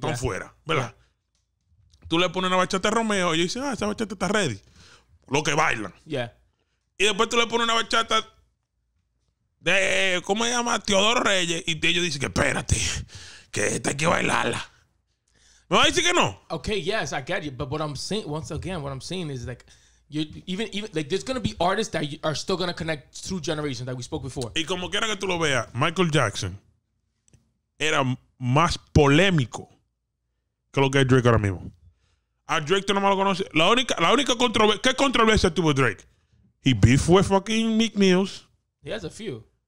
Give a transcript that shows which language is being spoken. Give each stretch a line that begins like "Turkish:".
Spanish: Están fuera. ¿Verdad? Tú le pones una bachata a Romeo y dicen, esa bachata está ready. Lo que bailan.
English: Yeah.
Spanish: Y después tú le pones una bachata de, ¿cómo se llama? Teodoro Reyes. Y ellos dicen que espérate, que esta hay que bailarla. ¿Me vas a decir que no?
English: Okay, yes, I get you. But what I'm saying, once again, what I'm saying is like, even there's going to be artists that are still going to connect through generations that we spoke before.
Spanish: Y como quiera que tú lo veas, Michael Jackson era más polémico que lo que es Drake ahora mismo. A Drake tú no más lo conoces. La única controversia. ¿Qué controversia tuvo Drake?
English: He beef with fucking Meek Mills. He has a few.